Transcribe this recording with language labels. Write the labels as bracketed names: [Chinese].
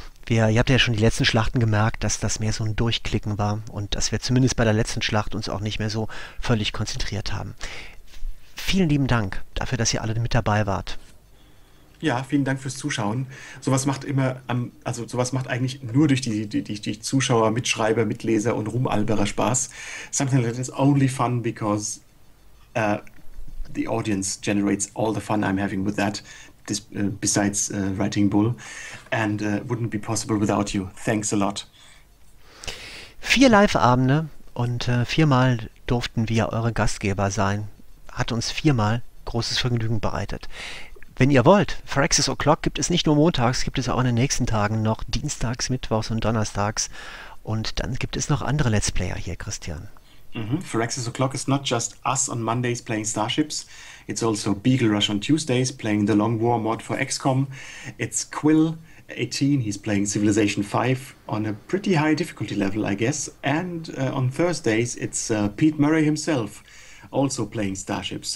[German] Ihr habt ja schon die letzten Schlachten gemerkt, dass das mehr so ein Durchklicken war und dass wir zumindest bei der letzten Schlacht uns auch nicht mehr so völlig konzentriert haben. Vielen lieben Dank dafür, dass ihr alle mit dabei wart. Ja, vielen Dank fürs Zuschauen. Sowas macht eigentlich nur durch die Zuschauer, Mitschreiber, Mitleser und Rumalberer Spaß. [English] Something that is only fun because the audience generates all the fun I'm having with that, besides writing Bull, and wouldn't be possible without you. Thanks a lot. [German] 4 Live-Abende und 4-mal durften wir eure Gastgeber sein. Hat uns 4-mal großes Vergnügen bereitet. Wenn ihr wollt, Phyrexis O'Clock gibt es nicht nur montags, gibt es auch in den nächsten Tagen noch dienstags, mittwochs und donnerstags. Und dann gibt es noch andere Let's Player hier, Christian. [English] Phyrexis O'Clock is not just us on Mondays playing Starships. It's also Beagle Rush on Tuesdays playing the Long War mod for XCOM. It's Quill 18, he's playing Civilization 5 on a pretty high difficulty level, I guess. And on Thursdays it's Pete Murray himself also playing Starships.